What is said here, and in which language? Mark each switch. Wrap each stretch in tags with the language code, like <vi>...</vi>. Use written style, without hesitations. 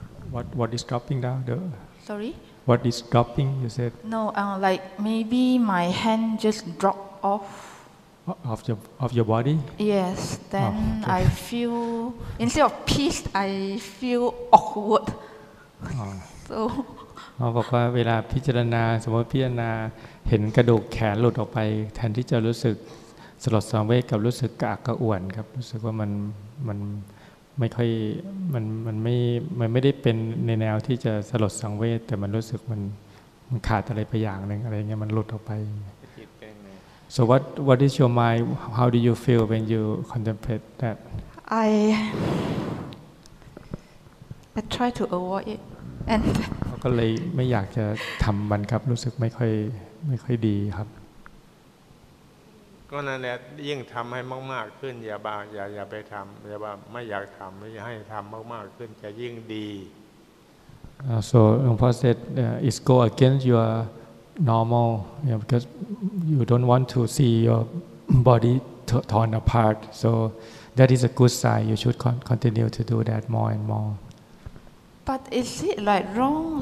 <en>What is dropping down? Sorry? What is dropping, you said? No, like maybe my hand just drop off. Of your body? Yes. Then okay. I feel instead of peace, I feel awkward. So.</en> <th>เขาบอกว่าเวลาพิจารณาสมมติพิจารณาเห็นกระดูกแขนหลุดออกไปแทนที่จะรู้สึกสลดสังเวชกับรู้สึกกระอักกระอ่วนครับรู้สึกว่ามันไม่ค่อยมันไม่ได้เป็นในแนวที่จะสลดสังเวชแต่มันรู้สึกมันขาดอะไรไปอย่างนึงอะไรเงี้ยมันหลุดออกไป</th> <en>So what is your mind? How do you feel when you contemplate that? I try to avoid it. And</en> <th>ก็เลยไม่อยากจะทำมันครับรู้สึกไม่ค่อยดีครับ ก็นั่นแหละยิ่งทำให้มากๆขึ้นอย่าไปทำอย่าไม่อยากทำไม่ให้ทำมากๆขึ้นจะยิ่งดี</th> <en>So Longpo said it's go against yourNormal, yeah, because you don't want to see your body torn apart. So that is a good sign. You should continue to do that more and more. But is it like wrong?</en>